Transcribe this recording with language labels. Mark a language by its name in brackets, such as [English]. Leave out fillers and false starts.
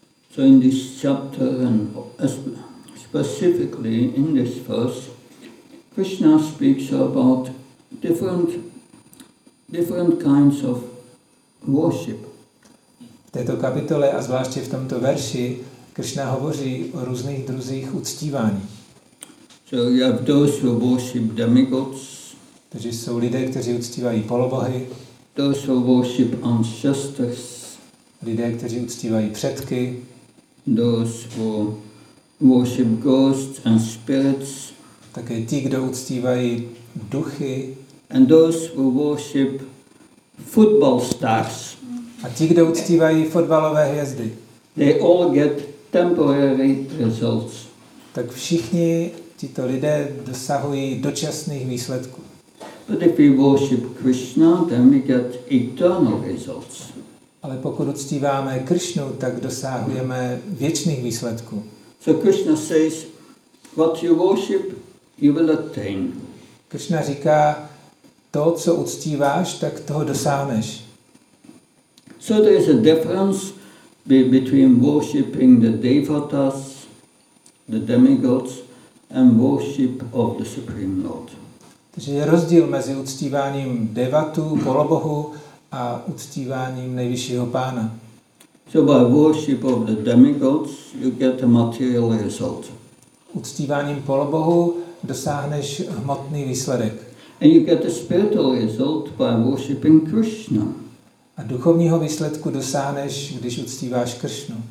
[English] So in this chapter and specifically in this verse, Krishna speaks about different kinds of worship. [Czech] V této kapitole a zvláště v tomto verši Krishna hovoří o různých druzích uctívání. [English] So you have those who worship demigods. [Czech] Takže jsou lidé, kteří uctívají polobohy. [English] Those who worship ancestors. [Czech] Lidé, kteří uctívají předky. [English] Those who worship ghosts and spirits. [Czech] Také ti, kdo uctívají duchy. [English] And those who worship football stars. [Czech] A ti, kdo uctívají fotbalové hvězdy, [English] they all get temporary results. [Czech] Tak všichni tito lidé dosahují dočasných výsledků. [English] But if we worship Krishna, then we get eternal results. [Czech] Ale pokud uctíváme Krishnu, tak dosahujeme věčných výsledků. [English] So Krishna says, what you worship, you will attain. [Czech] Krishna říká, to, co uctíváš, tak toho dosáhneš. [English] So there is a difference between worshipping the devatas, the demigods, and worship of the Supreme Lord. [Czech] Takže je rozdíl mezi uctíváním devatu, polobohu, a uctíváním nejvyššího pána. [English] So by worship of the demigods, you get a material result. [Czech] Uctíváním polobohu dosáhneš hmotný výsledek. [English] And you get a spiritual result by worshiping Krishna. [Czech] A duchovního výsledku dosáhneš, když uctíváš Krishnu.